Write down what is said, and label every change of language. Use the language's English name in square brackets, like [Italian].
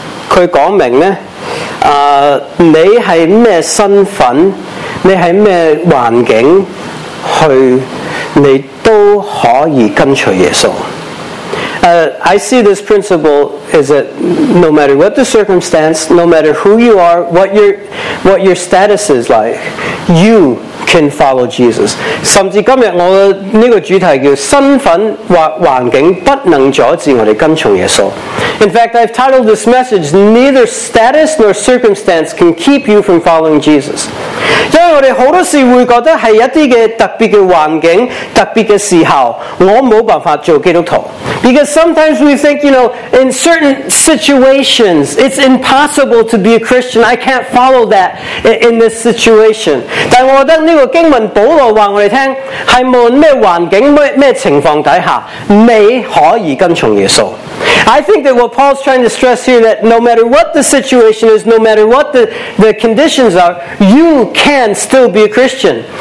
[Chinese] he 讲明呢，你是什么身份，你是什么环境，去你都可以跟随耶稣。 [English] I see this principle is that no matter what the circumstance, no matter who you are, what your status is like, you can follow Jesus. [Chinese] 甚至今天我的这个主题叫身份或环境不能阻止我们跟从耶稣。 [English] In fact, I've titled this message, Neither Status Nor Circumstance Can Keep You From Following Jesus. [Chinese] 因为我们很多时会觉得是一些特别的环境，特别的时候，我没有办法做基督徒。 [English] Because sometimes we think, you know, in certain situations, it's impossible to be a Christian. I can't follow that in this situation. [Chinese] 但我觉得这个经文保罗告诉我们，是无论什么环境、什么情况底下，你可以跟从耶稣。 [English] I think that what Paul's trying to stress here, that no matter what the situation is, no matter what the conditions are, you can still be a Christian.